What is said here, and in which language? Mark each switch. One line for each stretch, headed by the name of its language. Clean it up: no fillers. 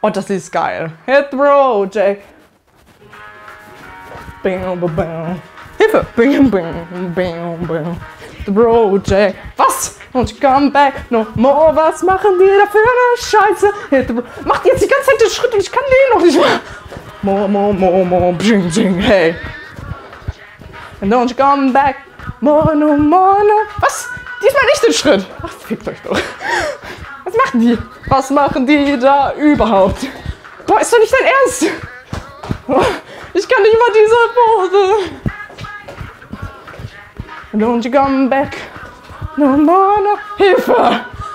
German: Oh, das ist geil.
English: Hit the road, Jack. Bam, bam, bam.
German: Hilfe. Bam, bam, bam, bam.
English: The road, Jack.
German: Was? Und
English: come back no more.
German: Was machen die da für eine Scheiße? Macht jetzt die ganze Zeit den Schritt und ich kann den noch nicht mehr.
English: More, more, more, more, bing, bing, hey. And don't you come back more, no more, no.
German: Was? Diesmal nicht den Schritt. Ach, fickt euch doch. Was machen die? Was machen die da überhaupt? Boah, ist doch nicht dein Ernst. Ich kann nicht mal diese Pose.
English: And don't you come back. No, no, no,
German: Hilfe!